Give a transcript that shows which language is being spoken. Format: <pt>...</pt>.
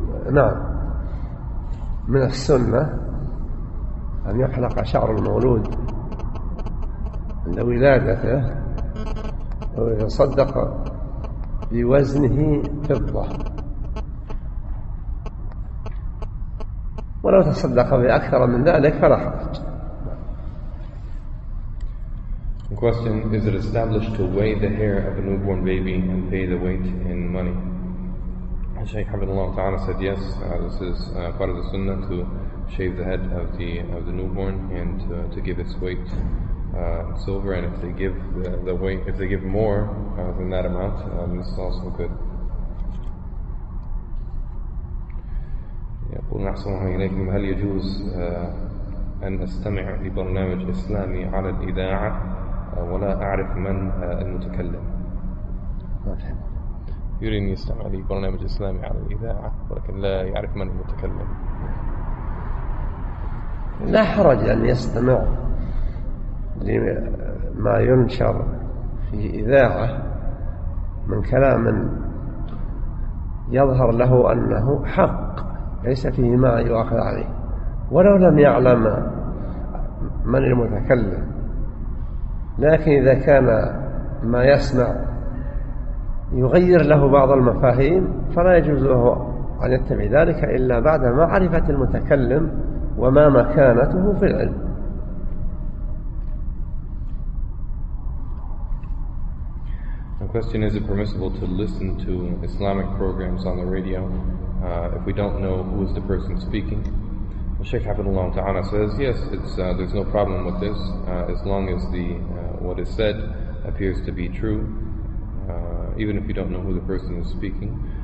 <ar>نعم، من السنة أن يحلق شعر المولود عند ولادته ويتصدق بوزنه فضة، ولو تصدق بأكثر من ذلك فلا حرج.</ar> <en>Question: is it established to weigh the hair of a newborn baby and pay the weight in money? Shaykh Habibullah Ta'ala said yes, this is part of the sunnah to shave the head of the newborn and to give its weight silver, and if they give the weight, if they give more than that amount, this is also good.</en> <ar>يقول نحسن الله إليكم، هل يجوز أن أستمع لبرنامج إسلامي على الإذاعة ولا أعرف من المتكلم؟ يريد أن يستمع لبرنامج إسلامي على الإذاعة ولكن لا يعرف من المتكلم. لا حرج أن يستمع لما ينشر في إذاعة من كلام يظهر له أنه حق ليس فيه ما يؤاخذ عليه، ولو لم يعلم من المتكلم، لكن إذا كان ما يسمع يغير له بعض المفاهيم فلا يجوز له أن يتبع ذلك إلا بعد معرفة المتكلم وما مكانته في العلم.</ar> <en>The question: is it permissible to listen to Islamic programs on the radio if we don't know who is the person speaking? Shaykh Hafidullah Ta'ala says, yes, there's no problem with this, as long as the what is said appears to be true, even if you don't know who the person is speaking.</en>